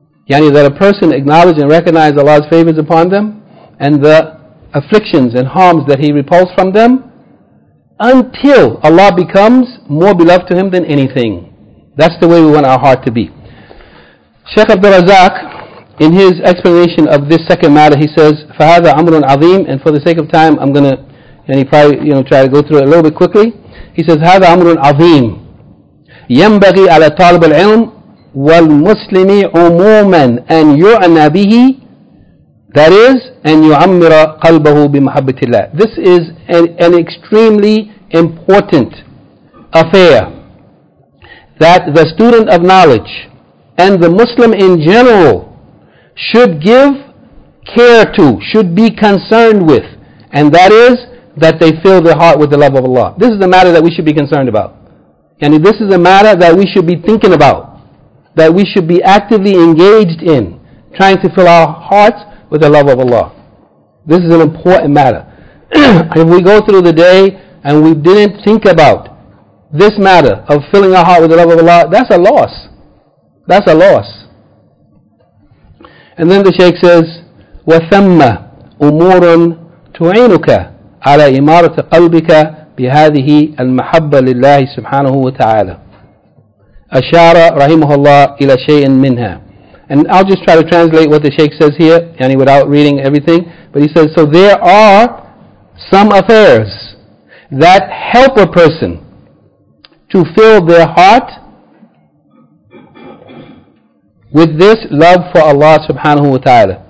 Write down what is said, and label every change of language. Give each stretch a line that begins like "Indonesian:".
English: Yani that a person acknowledge and recognize Allah's favors upon them, and the afflictions and harms that He repulsed from them, until Allah becomes more beloved to him than anything. That's the way we want our heart to be. Shaykh Abdul Razak, in his explanation of this second matter, he says,
Arabic: فَهَذَا عَمْرٌ عَظِيمٌ.
English: And for the sake of time, I'm going to, and he probably, you know, try to go through it a little bit quickly. He says,
Arabic: هَذَا عَمْرٌ عَظِيمٌ. ينبغي على طالب العلم والمسلم عموما أن يعنى به,
English: that is,
Arabic: أن يعمر قلبه بمحبة الله.
English: This is an extremely important affair that the student of knowledge and the Muslim in general should give care to, should be concerned with, and that is that they fill their heart with the love of Allah. This is the matter that we should be concerned about. And this is a matter that we should be thinking about, that we should be actively engaged in, trying to fill our hearts with the love of Allah. This is an important matter. If we go through the day and we didn't think about this matter of filling our heart with the love of Allah, that's a loss. That's a loss. And then the Shaykh says,
Arabic: وَثَمَّ أُمُورٌ تُعِينُكَ عَلَى إِمَارَةِ قَلْبِكَ بِهَذِهِ الْمَحَبَّ لِلَّهِ سُبْحَانَهُ وَتَعَالَى أَشَارَ رَحِمُهُ اللَّهِ إِلَى شَيْءٍ مِّنْهَا.
English: And I'll just try to translate what the Shaykh says here, yani without reading everything. But he says, so there are some affairs that help a person to fill their heart with this love for Allah subhanahu wa ta'ala.